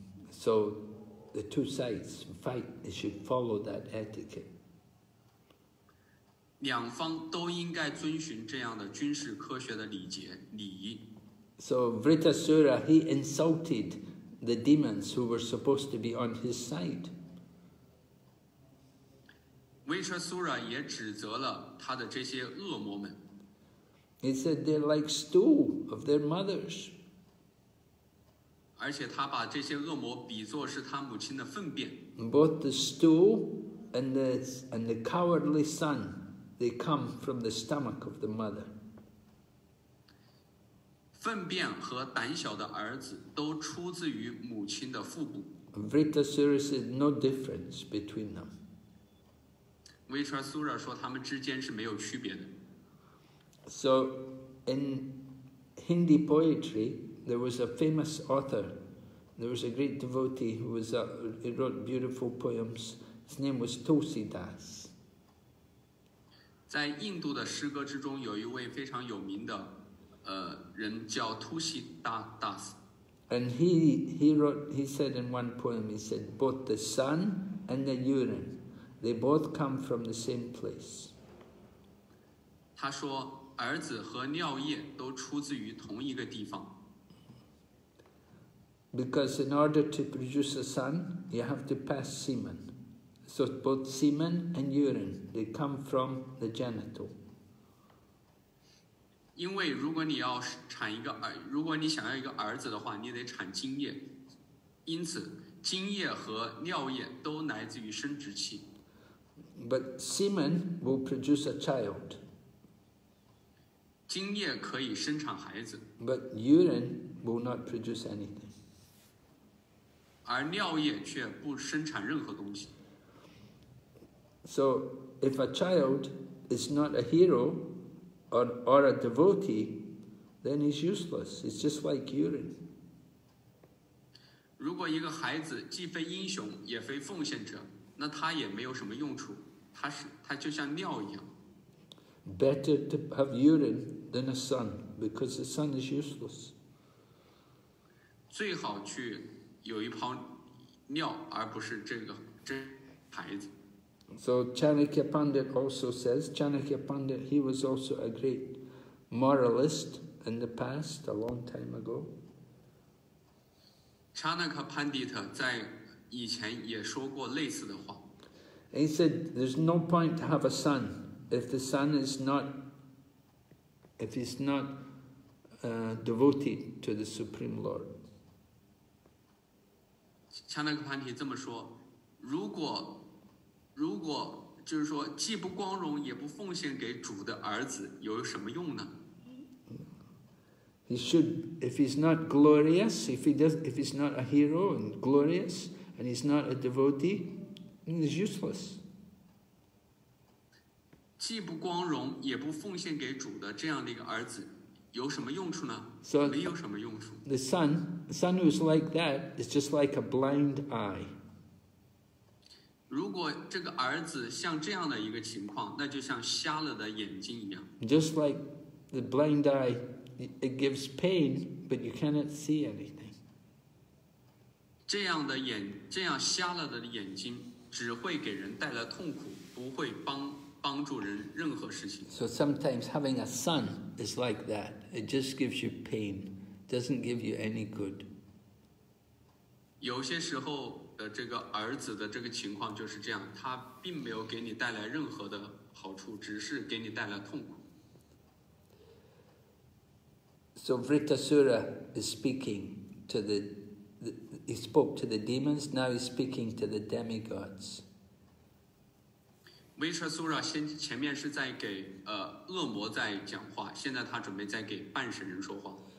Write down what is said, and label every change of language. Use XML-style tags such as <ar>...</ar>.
<en>So the two sides fight, they should follow that etiquette.</en> <zh>两方都应该遵循这样的军事科学的礼节礼仪。</zh> <en>So Vritasura, he insulted the demons who were supposed to be on his side.</en> <zh>Vritasura 也指责了他的这些恶魔们。</zh> <en>He said they're like stool of their mothers.</en> <zh>而且他把这些恶魔比作是他母亲的粪便。</zh> <en>Both the stool and the cowardly son, they come from the stomach of the mother.</en> <zh>粪便和胆小的儿子都出自于母亲的腹部。</zh> <en>Vritasura said no difference between them.</en> <zh>Vritasura 说他们之间是没有区别的。</zh> <en>So in Hindi poetry,There was a famous author. There was a great devotee who was he wrote beautiful poems. His name was Tulsidas.</en> <zh>在印度的诗歌之中，有一位非常有名的人叫 Tulsidas.</zh> <en>And he said in one poem, he said, both the sun and the urine, they both come from the same place.</en> <zh>他说，儿子和尿液都出自于同一个地方。</zh> <en>Because in order to produce a son, you have to pass semen. So both semen and urine, they come from the genital.</en> <zh>因为如果你要产一个儿，如果你想要一个儿子的话，你得产精液。因此，精液和尿液都来自于生殖器。</zh> <en>But semen will produce a child.</en> <zh>精液可以生产孩子。</zh> <en>But urine will not produce anything.</en> <zh>而尿液却不生产任何东西。</zh> <en>So, if a child is not a hero or a devotee, then he's useless. It's just like urine.</en> <zh>如果一个孩子既非英雄也非奉献者，那他也没有什么用处。他就像尿一样。</zh> <en>Better to have urine than a son, because the son is useless.</en> <zh>最好去有一泡尿，而不是这个真孩子。</zh> <en>So Chanakya Pandit also says, Chanakya Pandit, he was also a great moralist in the past, a long time ago.</en> <zh>Chanakya Pandit 在以前也说过类似的话。</zh> <en>He said, "There's no point to have a son if the son is not, if he's not, devoted to the Supreme Lord."</en> <zh>恰那克潘提这么说，如果就是说既不光荣也不奉献给主的儿子有什么用呢？</zh> <en>He should, if he's not glorious, if he does, if he's not a hero and glorious, and he's not a devotee, then he's useless.</en> <zh>既不光荣也不奉献给主的这样的一个儿子有什么用处呢？</zh> <en>So,</en> <zh>没有什么用处。</zh> <en>The son who's like that is just like a blind eye.</en> <zh>如果这个儿子像这样的一个情况，那就像瞎了的眼睛一样。</zh> <en>Just like the blind eye, it gives pain, but you cannot see anything.</en> <zh>这样瞎了的眼睛只会给人带来痛苦，不会帮助人任何事情。</zh> <en>So sometimes having a son is like that. It just gives you pain. Doesn't give you any good.</en> <zh>有些时候的这个儿子的这个情况就是这样，他并没有给你带来任何的好处，只是给你带来痛苦。</zh> <en>So Vritasura is speaking to he spoke to the demons, now he's speaking to the demigods.</en> <zh>Vritasura 前面是在给恶魔在讲话，现在他准备在给半神人说话。</zh>